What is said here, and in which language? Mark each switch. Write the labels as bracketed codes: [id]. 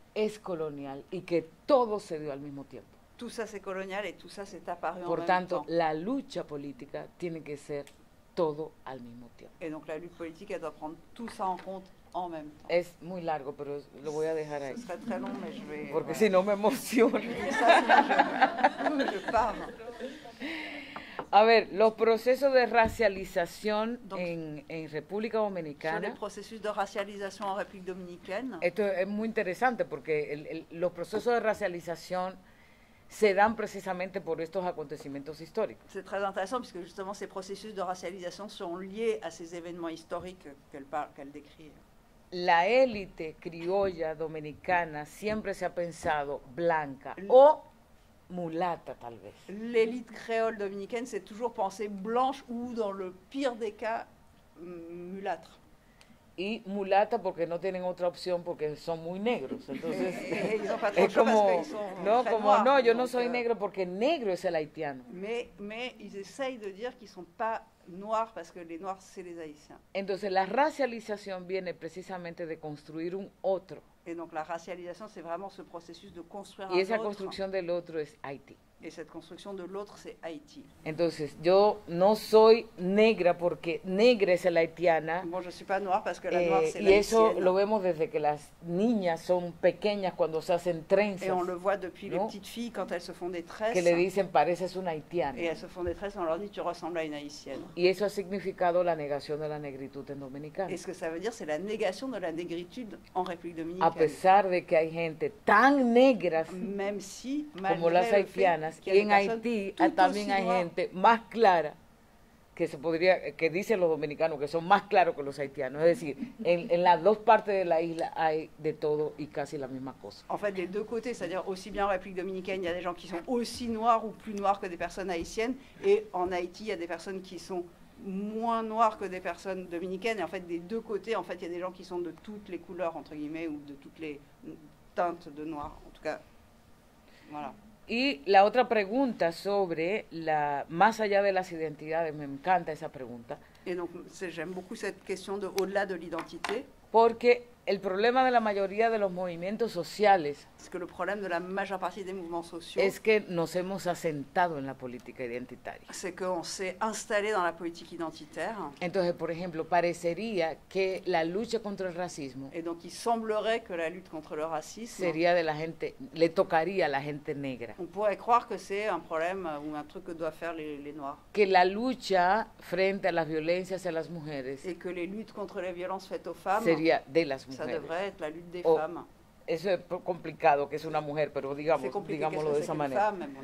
[fr] est coloniale et [es] que todo se dio al mismo tiempo. [fr] Tout ça c'est colonial et tout ça c'est apparu [es] Por [fr] en même [es] tanto, [fr] temps. Pourtant, [es] la lucha política tiene que ser todo al mismo tiempo. [fr] Et donc la lutte politique, elle doit prendre tout ça en compte en même temps. [es] Es muy largo, pero lo voy a dejar ahí. [fr] Ce serait très long, mais je vais... [es] Porque ouais. Sinon, me emociono. [fr] Ça, sinon, je parle. [es] A ver, los procesos de racialización en República Dominicana. [fr] Sur les processus de racialisation en République Dominicaine. [es] Esto es muy interesante porque los procesos de racialización se dan precisamente por estos acontecimientos históricos. [fr] C'est très intéressant puisque justement ces processus de racialisation sont liés à ces événements historiques qu'elle décrit. [es] La élite criolla dominicana siempre se ha pensado blanca o mulata, tal vez. [fr] L'élite créole dominicaine s'est toujours pensée blanche ou, dans le pire des cas, mulâtre. [es] Y mulata porque no tienen otra opción porque son muy negros. Entonces, es como, no, como, no, yo no soy negro porque negro es el haitiano. [fr] Mais ils essayent de dire qu'ils sont pas noirs parce que les noirs c'est les haïtiens. [es] Entonces, la racialización viene precisamente de construir un otro. [fr] Et donc la racialisation c'est vraiment ce processus de construire un [es] autre. Y esa construcción del otro es Haití. [fr] Et cette construction de l'autre, c'est Haïti. [es] Entonces, yo no soy negra porque negra es la haitiana. [fr] Bon, je ne suis pas noire parce que la noire, c'est la [es] haïtienne. Y eso lo vemos desde que las niñas son pequeñas cuando se hacen trenzas. [fr] Et on le voit depuis, ¿no?, les petites filles quand elles se font des tresses. [es] Que le dicen, pareces una haitiana. [fr] Et elles se font des tresses, on leur dit, tu ressembles à une haïtienne. [es] Y eso ha significado la negación de la negritud en Dominicana. [fr] Et ce que ça veut dire, c'est la négation de la négritude en République Dominicaine. [es] A pesar de que hay gente tan negras, [fr] même si, [es] como las haitianas. Y en Haití también hay gente más clara que se podría que dicen los dominicanos que son más claros que los haitianos, es decir, en las dos partes de la isla hay de todo y casi la misma cosa. [fr] En fait, des deux côtés, c'est-à-dire aussi bien en République dominicaine, il y a des gens qui sont aussi noirs ou plus noirs que des personnes haïtiennes, et en Haïti, il y a des personnes qui sont moins noires que des personnes dominicaines, et en fait, des deux côtés, en fait, il y a des gens qui sont de toutes les couleurs entre guillemets ou de toutes les teintes de noir, en tout cas. Voilà. [es] Y la otra pregunta sobre la más allá de las identidades, me encanta esa pregunta. [fr] Et donc, j'aime beaucoup cette question de au-delà de l'identité. [es] Porque el problema de la mayoría de los movimientos sociales. [fr] Parce que le problème de la majeure partie des mouvements sociaux. [es] Es que nos hemos asentado en la política identitaria. [fr] C'est qu'on s'est installé dans la politique identitaire. [es] Entonces, por ejemplo, parecería que la lucha contra el racismo. [fr] Et donc, il semblerait que la lutte contre le racisme. [es] Sería de la gente, le tocaría a la gente negra. [fr] On pourrait croire que c'est un problème ou un truc que doivent faire les noirs. [es] Que la lucha frente a las violencias a las mujeres. [fr] Et que les luttes contre les violences faites aux femmes. [es] materia de las mujeres. [fr] Ça devrait être la lutte des femmes. [es] Eso es complicado, que es una mujer, pero digamos, digámoslo de esa manera.